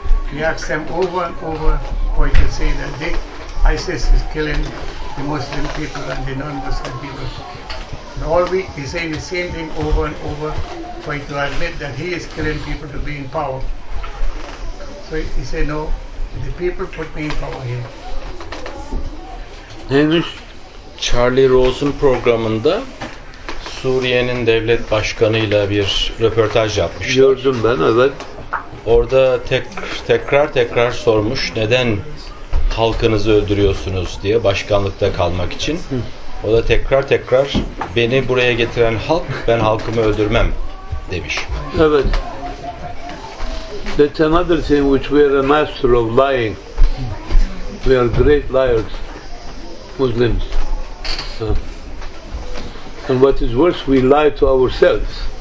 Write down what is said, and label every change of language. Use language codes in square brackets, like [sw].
[en] He asked them over and over, or you can say that ISIS is killing the Muslim people and the non-Muslim people. And all week he's saying the same thing over and over, for you to admit that he is killing people to be in power. So he said, no, the people put me in power here. [tr] Neymiş? Charlie Rose'un programında Suriye'nin devlet başkanıyla bir röportaj yapmış. Gördüm ben, evet. Orada tekrar sormuş, neden halkınızı öldürüyorsunuz diye, başkanlıkta kalmak için. O da tekrar beni buraya getiren halk, ben halkımı öldürmem demiş. Evet. [en] That's another thing which we are a master of lying. We are great liars. Muslims. And what is worse, we lie to ourselves.